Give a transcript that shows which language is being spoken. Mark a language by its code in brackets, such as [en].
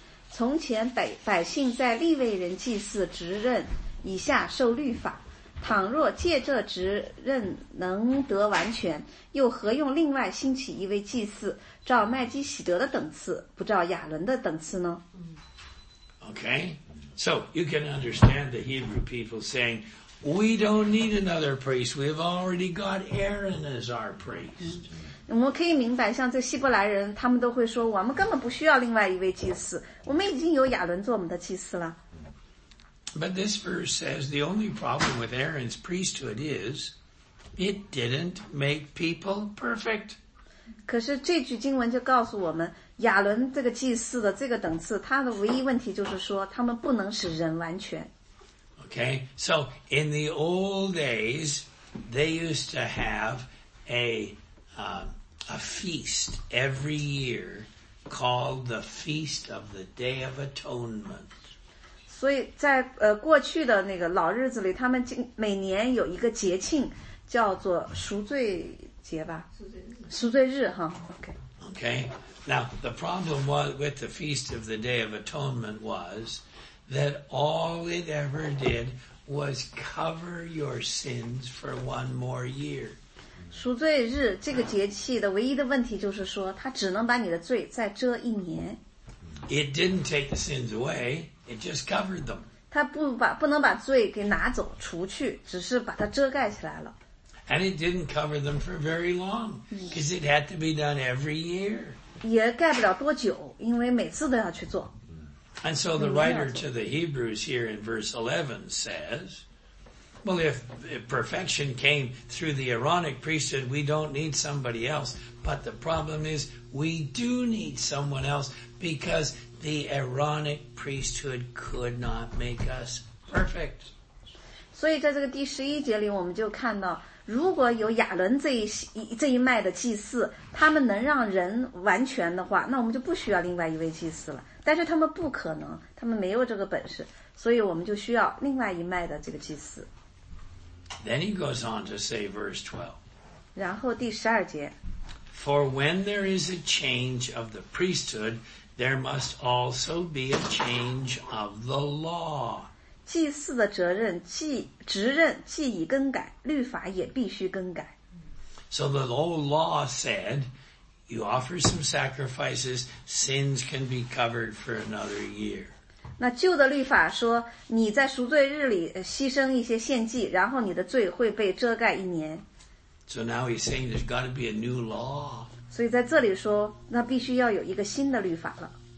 [zh] 从前百姓在利未人祭祀职任以下受律法，倘若借这职任能得完全，又何用另外兴起一位祭祀，照麦基洗德的等次，不照亚伦的等次呢？ [en] Okay, so you can understand the Hebrew people saying, "We don't need another priest. We've already got Aaron as our priest." [zh] 我们可以明白，像这希伯来人，他们都会说，我们根本不需要另外一位祭司，我们已经有亚伦做我们的祭司了。 [en] But this verse says the only problem with Aaron's priesthood is it didn't make people perfect. [zh] 可是这句经文就告诉我们，亚伦这个祭司的这个等次，他的唯一问题就是说，他们不能使人完全。 [en] Okay, so in the old days, they used to have a feast every year called the Feast of the Day of Atonement. [zh] 所以在过去的那个老日子里，他们每年有一个节庆，叫做赎罪节吧？赎罪日，赎罪日哈。Okay. [en] Okay. Now the problem was with the Feast of the Day of Atonement was that all it ever did was cover your sins for one more year. [zh] 赎罪日这个节气的唯一的问题就是说，它只能把你的罪再遮一年。 [en] It didn't take the sins away; it just covered them. [zh] 它不能把罪给拿走除去，只是把它遮盖起来了。 [en] And it didn't cover them for very long, because it had to be done every year. [zh] 也盖不了多久，因为每次都要去做。 [en] And so the writer to the Hebrews here in verse 11 says. Well, if perfection came through the Aaronic priesthood, we don't need somebody else. But the problem is, we do need someone else because the Aaronic priesthood could not make us perfect. [zh] 所以在这个第十一节里，我们就看到，如果有亚伦这一脉的祭祀，他们能让人完全的话，那我们就不需要另外一位祭祀了。但是他们不可能，他们没有这个本事，所以我们就需要另外一脉的这个祭祀。 [en] Then he goes on to say verse 12. [zh] 然后第十二节。 [en] For when there is a change of the priesthood, there must also be a change of the law. [zh] 祭祀的职任既已更改，律法也必须更改。 [en] So the old law said, you offer some sacrifices, sins can be covered for another year. [zh] 那旧的律法说，你在赎罪日里牺牲一些献祭，然后你的罪会被遮盖一年。 [en] So now he's saying there's got to be a new law. [zh] 所以在这里说，那必须要有一个新的律法了。